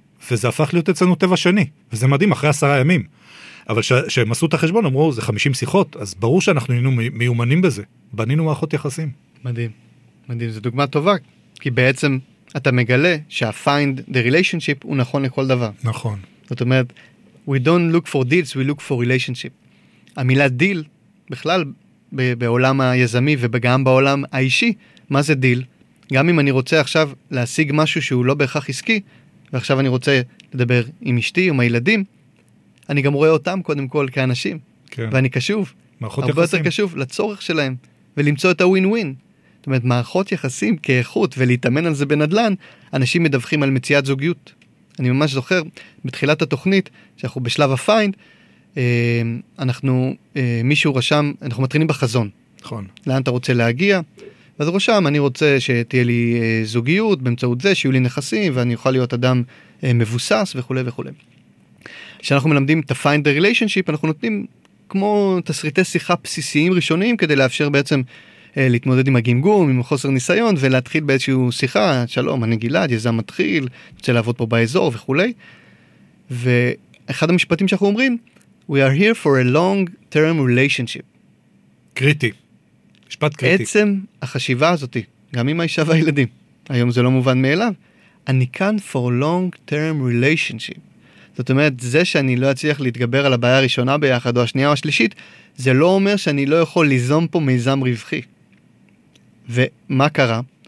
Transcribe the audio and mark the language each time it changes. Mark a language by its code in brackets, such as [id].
[he] וזה הפך להיות אצלנו טבע שני. וזה מדהים, אחרי 10 ימים. אבל שהם עשו את החשבון, אמרו, זה 50 שיחות, אז ברור שאנחנו היינו מיומנים בזה. בנינו מערכות יחסים. מדהים. מדהים, זו דוגמה טובה. כי בעצם אתה מגלה שה- [en] find the relationship [he] הוא נכון לכל דבר. נכון. זאת אומרת, [en] we don't look for deals, we look for relationship. [he] המילה deal, בכלל, בעולם היזמי וגם בעולם האישי, מה זה deal? גם אם אני רוצה עכשיו להשיג משהו שהוא לא בהכרח עסקי, ועכשיו אני רוצה לדבר עם אשתי ועם הילדים, אני גם רואה אותם קודם כל כאנשים, כן. ואני קשוב, מערכות הרבה יחסים. יותר קשוב לצורך שלהם, ולמצוא את הווין-ווין. זאת אומרת, מערכות יחסים כאיכות, ולהתאמן על זה בנדלן, אנשים מדווחים על מציאת זוגיות. אני ממש זוכר, בתחילת התוכנית, שאנחנו בשלב הפיינד, אנחנו, מישהו רשם, אנחנו מתחילים בחזון. נכון. לאן אתה רוצה להגיע? ואז רשם, אני רוצה שתהיה לי זוגיות, באמצעות זה, שיהיו לי נכסים, ואני אוכל להיות אדם מבוסס וכו' וכו'. כשאנחנו מלמדים את ה- [en] find the relationship, [he] אנחנו נותנים כמו תסריטי שיחה בסיסיים ראשוניים, כדי לאפשר בעצם להתמודד עם הגמגום, עם חוסר ניסיון, ולהתחיל באיזשהו שיחה, שלום, אני גלעד, יזם מתחיל, רוצה לעבוד פה באזור וכו'. ואחד המשפטים שאנחנו אומרים, [en] we are here for a long-term relationship. [he] קריטי. משפט קריטי. עצם החשיבה הזאת, גם עם האישה והילדים, היום זה לא מובן מאליו, אני כאן [en] for a long-term relationship. [he] זאת אומרת, זה שאני לא אצליח להתגבר על הבעיה הראשונה ביחד, או השנייה או השלישית, זה לא אומר שאני לא יכול ליזום פה מיזם רווחי. ומה קרה?